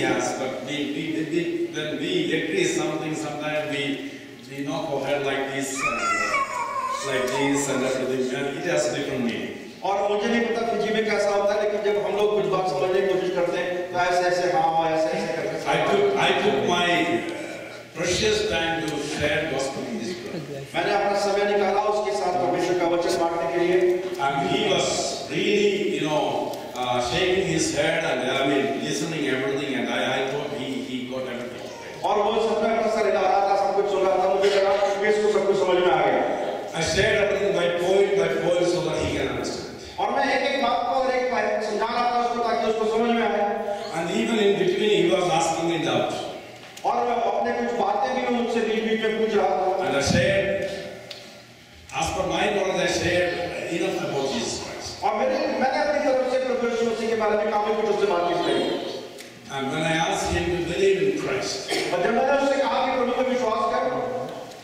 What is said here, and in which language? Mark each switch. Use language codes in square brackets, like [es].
[en] has, but we then we agree something, sometimes we we knock our head like this, and everything, and it has a different meaning. [hi] और मुझे नहीं पता Fiji में कैसा होता है लेकिन जब हम लोग कुछ बात समझने की कोशिश करते हैं तो ऐसे ऐसे हाँ ऐसे ऐसे करते हैं। [en] I took my precious time to share gospel in this place. [hi] मैंने अपना समय निकाला उसके साथ परमेश्वर का वचन बांटने के लिए। [en] And he was really, you know, shaking his head and listening everything and I thought he got everything. [hi] और वो सब मैं अपना सर हिला रहा था सब कुछ सुन रहा था मुझे लगा कि इसको सब कुछ समझ में आ गया। [en] I shared everything by point by point so that he can understand. [hi] और मैं एक-एक बात को और एक बात समझा रहा था उसको ताकि उसको समझ में आए। [en] And even in between he was asking me doubt. [hi] और मैं अपने कुछ बातें भी मुझसे बीच-बीच में पूछ रहा था। [en] And I shared, as per my knowledge, I shared enough about Jesus Christ. [hi] और मैंने अपनी तरफ से प्रभु यीशु मसीह के बारे में काफी कुछ उससे बातचीत की। [en] And when I asked him to believe in Christ, [hi] और जब मैंने उससे कहा कि प्रभु पर विश्वास कर,